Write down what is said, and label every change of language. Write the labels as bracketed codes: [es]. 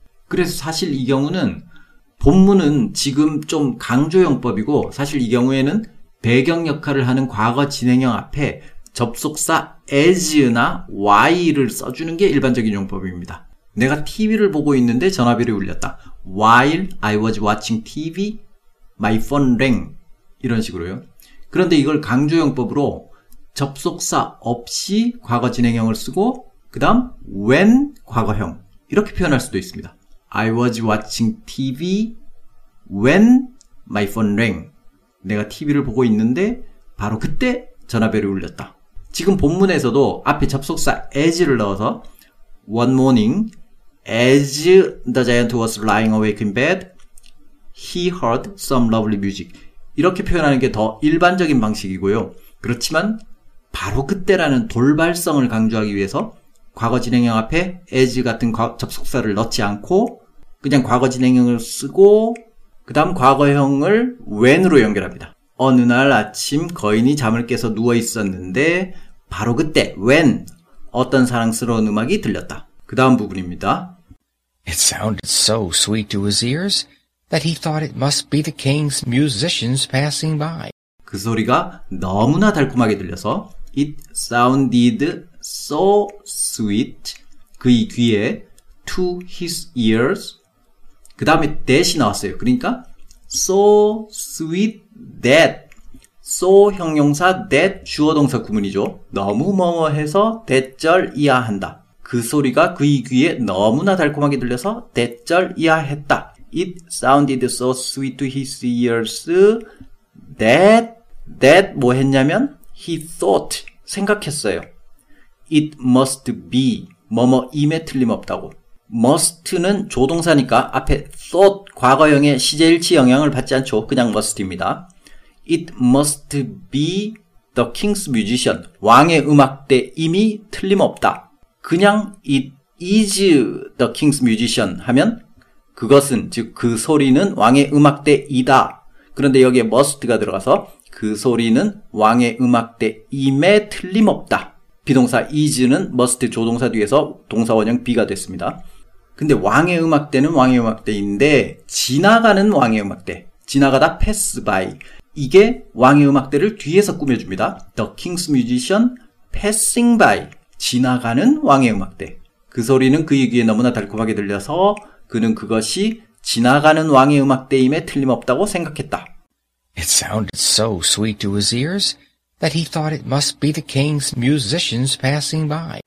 [ko] 그래서 사실 이 경우는 본문은 지금 좀 강조형법이고 사실 이 경우에는 배경 역할을 하는 과거 진행형 앞에 접속사 as나 why를 써주는 게 일반적인 용법입니다. 내가 TV를 보고 있는데 전화벨이 울렸다. [en] While I was watching TV, my phone rang. [ko] 이런 식으로요. 그런데 이걸 강조형법으로 접속사 없이 과거 진행형을 쓰고 그 다음 when 과거형 이렇게 표현할 수도 있습니다. [en] I was watching TV when my phone rang. [ko] 내가 TV를 보고 있는데 바로 그때 전화벨이 울렸다. 지금 본문에서도 앞에 접속사 as를 넣어서 [en] One morning, as the giant was lying awake in bed, he heard some lovely music. [ko] 이렇게 표현하는 게 더 일반적인 방식이고요. 그렇지만 바로 그때라는 돌발성을 강조하기 위해서 과거진행형 앞에 as 같은 접속사를 넣지 않고 그냥 과거진행형을 쓰고 그 다음 과거형을 when으로 연결합니다. 어느 날 아침 거인이 잠을 깨서 누워 있었는데 바로 그때 when 어떤 사랑스러운 음악이 들렸다. 그 다음 부분입니다. [en] It sounded so sweet to his ears that he thought it must be the king's musicians passing by. [ko] 그 소리가 너무나 달콤하게 들려서 [en] It sounded so sweet [ko] 그의 귀에 [en] to his ears [ko] 그 다음에 that이 나왔어요. 그러니까 so sweet that so 형용사 that 주어동사 구문이죠. 너무 멍어해서 that절 이하한다. 그 소리가 그의 귀에 너무나 달콤하게 들려서 that절 이하했다. [en] It sounded so sweet to his ears that [ko] 뭐 했냐면 [en] he thought [ko] 생각했어요. [en] It must be [ko] 뭐뭐임에 틀림없다고. must는 조동사니까 앞에 thought 과거형의 시제일치 영향을 받지 않죠. 그냥 must입니다. [en] It must be the king's musician. [ko] 왕의 음악대임이 틀림없다. 그냥 [en] it is the king's musician [ko] 하면 그것은 즉 그 소리는 왕의 음악대이다. 그런데 여기에 must가 들어가서 그 소리는 왕의 음악대임에 틀림없다. 비동사 is는 must 조동사 뒤에서 동사 원형 be가 됐습니다. 근데 왕의 음악대는 왕의 음악대인데 지나가는 왕의 음악대 지나가다 pass by 이게 왕의 음악대를 뒤에서 꾸며줍니다. [en] The king's musician passing by [ko] 지나가는 왕의 음악대 그 소리는 그의 귀에 너무나 달콤하게 들려서 그는 그것이 지나가는 왕의 음악대임에 틀림없다고 생각했다. [en] It sounded so sweet to his ears that he thought it must be the king's musicians passing by.